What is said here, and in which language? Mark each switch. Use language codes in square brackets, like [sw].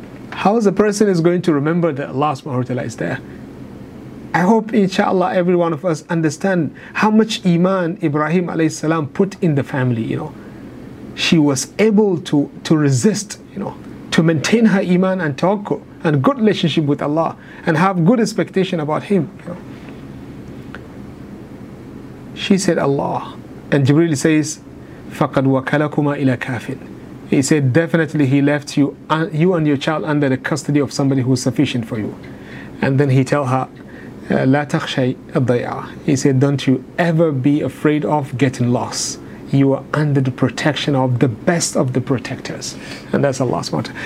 [en] How is a person is going to remember that Allah subhanahu wa ta'ala is there? I hope, inshallah, every one of us understand how much Iman Ibrahim alayhi salam put in the family, you know. She was able to resist, you know, to maintain her Iman and tawakkul and good relationship with Allah and have good expectation about Him, you know. She said, Allah. And Jibreel says, [ar] فَقَدْ وَكَلَكُمَا إِلَى كَافِرٍ. [en] He said, definitely he left you and your child under the custody of somebody who is sufficient for you. And then he tell her, [ar] لا تخشي الضياع. [en] He said, don't you ever be afraid of getting lost. You are under the protection of the best of the protectors. And that's Allah's water.